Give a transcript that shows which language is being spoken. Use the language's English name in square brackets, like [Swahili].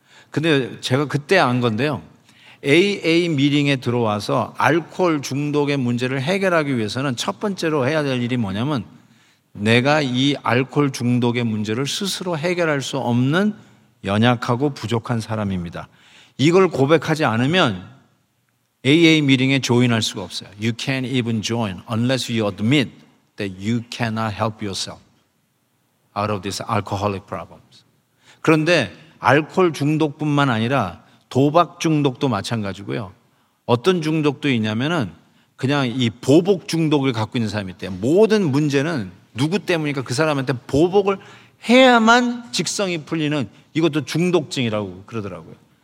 [Korean] 근데 제가 그때 안 건데요. AA 미팅에 들어와서 알코올 중독의 문제를 해결하기 위해서는 첫 번째로 해야 될 일이 뭐냐면 내가 이 알코올 중독의 문제를 스스로 해결할 수 없는 연약하고 부족한 사람입니다. 이걸 고백하지 않으면 AA 미팅에 조인할 수가 없어요. [English] You can't even join unless you admit that you cannot help yourself out of this alcoholic problems. [Korean] 그런데 알코올 중독뿐만 아니라 도박 중독도 마찬가지고요. 어떤 중독도 있냐면은 그냥 이 보복 중독을 갖고 있는 사람이 있대요. 모든 문제는 누구 때문이니까 그 사람한테 보복을 해야만 직성이 풀리는 이것도 중독증이라고 그러더라고요.